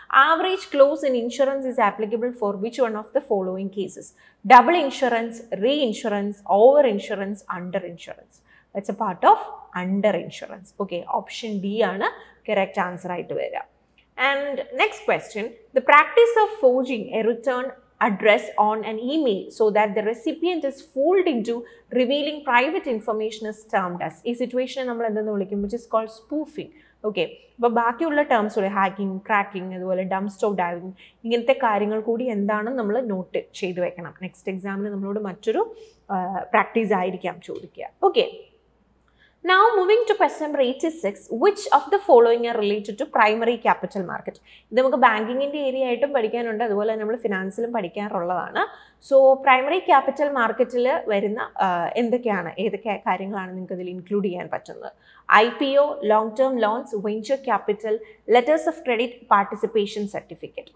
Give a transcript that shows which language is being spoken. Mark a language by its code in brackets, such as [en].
[en] Average clause in insurance is applicable for which one of the following cases? Double insurance, reinsurance, over insurance, under insurance. That's a part of under insurance. Okay, option D ആണ് correct answer ആയിട്ട് വരിക. And next question, the practice of forging a return address on an email so that the recipient is fooled into revealing private information is termed as a situation in [ml] nammal endanu vilikkum [en] which is called spoofing. [ml] Okay അപ്പോൾ ബാക്കിയുള്ള terms ഉള്ള hacking cracking അതുപോലെ dump സ്റ്റോ diving ഇങ്ങനത്തെ കാര്യങ്ങൾ കൂടി എന്താണെന്ന് നമ്മൾ നോട്ട് ചെയ്ത് വെക്കണം. നെക്സ്റ്റ് എക്സാമിന് നമ്മളോട് മറ്റൊരു പ്രാക്ടീസ് ആയിരിക്കാം ചോദിക്കുക. [en] Okay Now moving to question number 86, which of the following are related to primary capital market? [ml] ഇത് നമുക്ക് ബാങ്കിങ്ങിൻ്റെ ഏരിയ ആയിട്ടും പഠിക്കാനുണ്ട്, അതുപോലെ നമ്മൾ ഫിനാൻസിലും പഠിക്കാറുള്ളതാണ്. സോ പ്രൈമറി ക്യാപിറ്റൽ മാർക്കറ്റിൽ വരുന്ന എന്തൊക്കെയാണ്, ഏതൊക്കെ കാര്യങ്ങളാണ് നിങ്ങൾക്ക് ഇതിൽ ഇൻക്ലൂഡ് ചെയ്യാൻ പറ്റുന്നത്? [en] I P O, long term loans, venture capital, letters of credit, participation certificate.